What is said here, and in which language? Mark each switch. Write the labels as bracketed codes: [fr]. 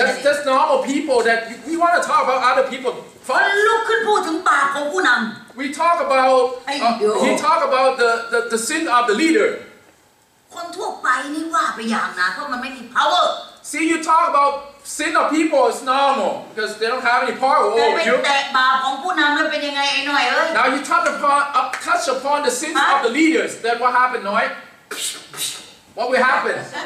[en] น that's just normal people that we want to talk about other people [th] คนลุกขึ้นพูดถึงบาปของผู้นำ [en] we talk about he talk about the sin of the leader [th] คนทั่วไปนี่ว่าไปอย่างนะเพราะมันไม่มี power [en] see you talk aboutSin of people is normal because they don't have any power over you. [th] แต่เป็นแต่บาปของผู้นำมันเป็นยังไงไอ้หน่อยเอ้ย [en] Now you touch upon the sins of the leaders. Then what happened, Noi? What will happen?